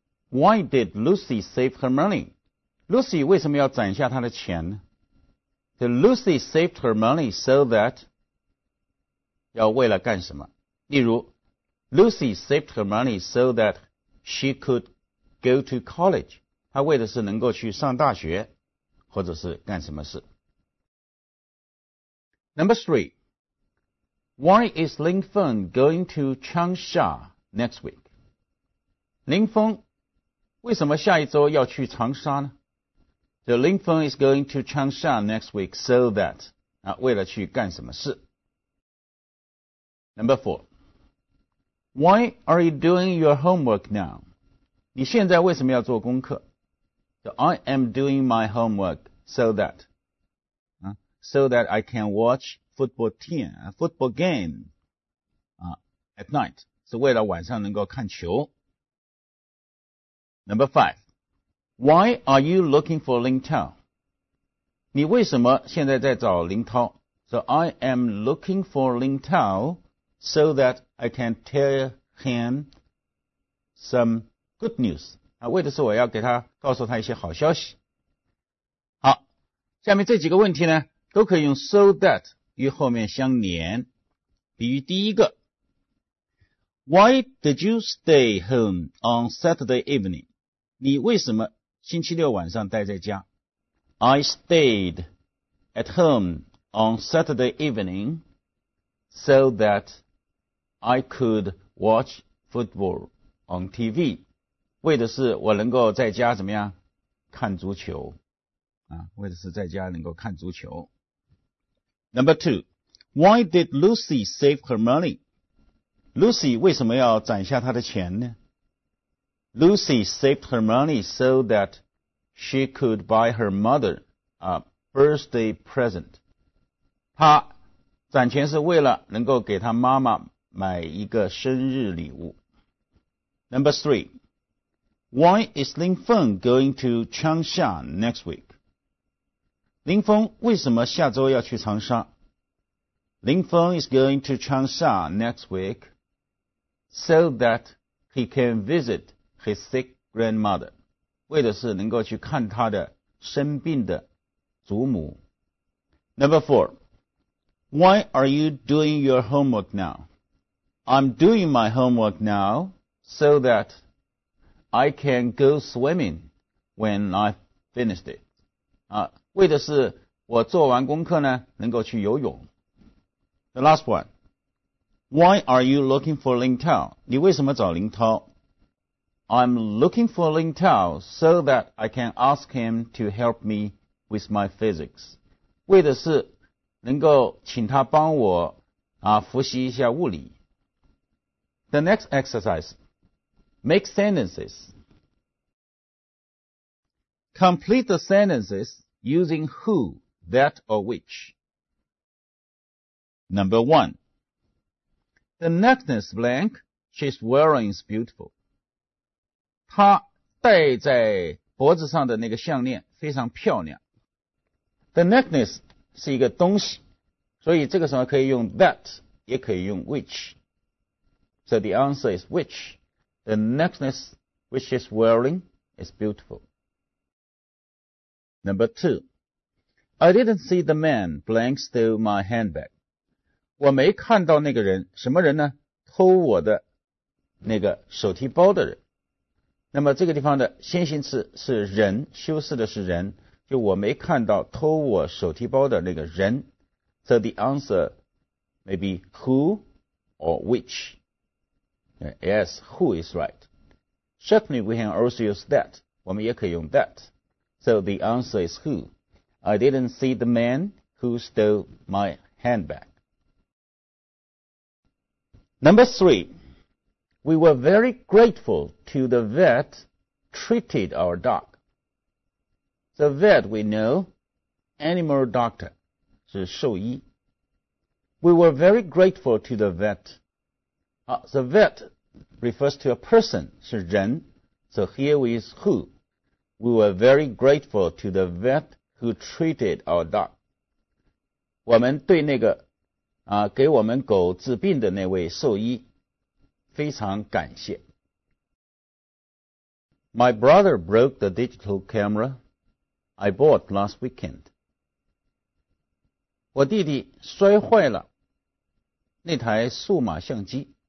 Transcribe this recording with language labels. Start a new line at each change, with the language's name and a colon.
English: Why did Lucy save her money?
Chinese: Lucy 为什么要攒下她的钱呢？
English: So Lucy saved her money so that,
Chinese: 要为了干什么？例如
English: Lucy saved her money so that she could go to college.
Chinese: 她为的是能够去上大学或者是干什么事。
English: Number three, why is Ling Feng going to Changsha next week?
Chinese: 林峰为什么下一周要去长沙呢？
English: So Ling Feng is going to Changsha next week so that,
Chinese: 为了去干什么事。
English: Number four,Why are you doing your homework now?
Chinese: 你现在为什么要做功课？
English: So I am doing my homework so that,、so that I can watch football team, football game,、at night.
Chinese: 是为了晚上能够看球。
English: Number five. Why are you looking for Ling Tao?
Chinese: 你为什么现在在找林涛？
English: So I am looking for Ling Tao. So that I can tell him some good news.
Chinese: 为的是我要给他告诉他一些好消息。好，下面这几个问题呢，都可以用
English: so that
Chinese: 与后面相连。比如第一个
English: ，Why did you stay home on Saturday evening?
Chinese: 你为什么星期六晚上待在家
English: ？I stayed at home on Saturday evening so that. I could watch football on TV.
Chinese: 为的是我能够在家怎么样看足球、为的是在家能够看足球。
English: Number two, why did Lucy save her money?
Chinese: Lucy 为什么要攒下她的钱呢？
English: Lucy saved her money so that she could buy her mother a birthday present.
Chinese: 她攒钱是为了能够给她妈妈买一个生日礼物。
English: Number three, why is Ling Feng going to Changsha next week?
Chinese: 林峰为什么下周要去长沙？
English: Ling Feng is going to Changsha next week so that he can visit his sick grandmother.
Chinese: 为的是能够去看他的生病的祖母。
English: Number four, why are you doing your homework now? I'm doing my homework now so that I can go swimming when I finished it.
Chinese: 为的是我做完功课呢能够去游泳。
English: The last one. Why are you looking for Ling Tao?
Chinese: 你为什么找林涛？
English: I'm looking for Ling Tao so that I can ask him to help me with my physics.
Chinese: 为的是能够请他帮我、复习一下物理。
English: The next exercise, make sentences. Complete the sentences using who, that, or which. Number one, the necklace blank she's wearing is beautiful.
Chinese: 她戴在脖子上的那个项链非常漂亮。
English: The necklace
Chinese: 是一个东西，所以这个时候可以用 that, 也可以用 which.
English: So the answer is which. The necklace which she's wearing is beautiful. Number two. I didn't see the man blank stole my handbag.
Chinese: 我没看到那个人，什么人呢？偷我的那个手提包的人。那么这个地方的先行词是人，修饰的是人，就我没看到偷我手提包的那个人。
English: So the answer may be who or which. Yes, who is right? Certainly, we can also use that.
Chinese: 我们也可以用
English: that. So the answer is who? I didn't see the man who stole my handbag. Number three. We were very grateful to the vet treated our dog. The vet, we know, animal doctor,
Chinese: 是兽医。
English: We were very grateful to the vet. The vet refers to a person,
Chinese: 是人。
English: So here is who. We were very grateful to the vet who treated our dog.
Chinese: 我们对那个给我们狗治病的那位兽医非常感谢。
English: My brother broke the digital camera I bought last weekend.
Chinese: 我弟弟摔坏了那台数码相机